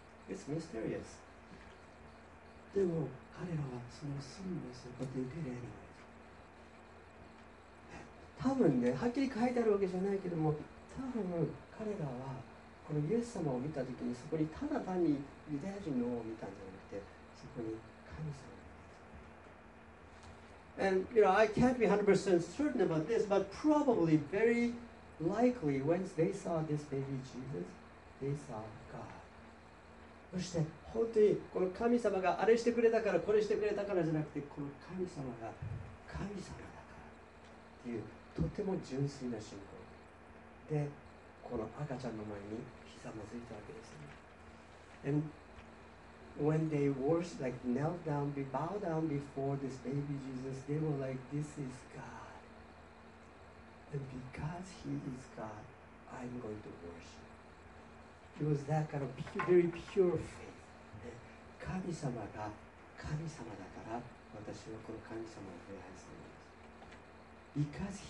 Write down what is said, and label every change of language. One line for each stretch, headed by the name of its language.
English: It's mysterious.
Japanese: でも彼らはそのすぐにそこで受け入れない。多分ね、はっきり書いてあるわけじゃないけども、多分彼らはこのイエス様を見たときにそこにただ単にユダヤ人の王を見たんじゃなくて、そこに神様を見た。
English: And you know, I can't be 100% certain about this, but probably very likely when they saw this baby Jesus, they saw God.
Japanese: そして本当にこの神様があれしてくれたからこれしてくれたからじゃなくて、この神様が神様だからっていうとても純粋な信仰で、この赤ちゃんの前にひざまずいたわけですね。
English: And when they worship, like knelt down, bow down before this baby Jesus, they were like, this is God. And because he is God, I'm going to worship. It was that kind of pure, very pure faith.
Japanese: 神様が神様だから私はこの神様を礼拝するんです。